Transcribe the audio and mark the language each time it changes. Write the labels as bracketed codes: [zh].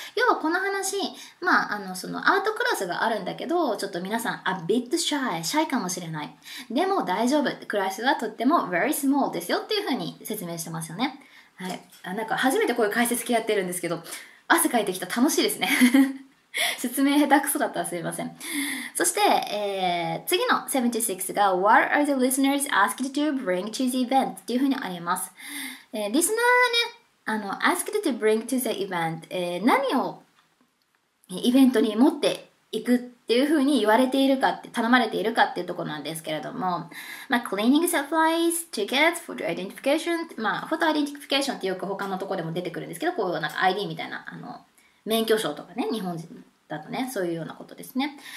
[ja] 要はこの話、まあ、そのアートクラスがあるんだけど、ちょっと皆さん、 [en] a bit shy、 [ja] シャイかもしれない。でも大丈夫。クラスはとっても [en] very small [ja] ですよっていうふうに説明してますよね。はい。なんか初めてこういう解説系やってるんですけど、汗かいてきた。楽しいですね。説明下手くそだったらすみません。そして、次の76が、 [en] What are the listeners asked to bring to the event? [ja] っていうふうにあります。リスナーはね、 [en] asked to bring to the event、 [ja] 何をイベントに持っていくっていうふうに言われているかって、頼まれているかっていうところなんですけれども、まあ、 [en] cleaning supplies, tickets for the identification, [ja] まあ、photo identification ってよく他のところでも出てくるんですけど、こういうなんか ID みたいな、免許証とかね、日本人だとね、そういうようなことですね。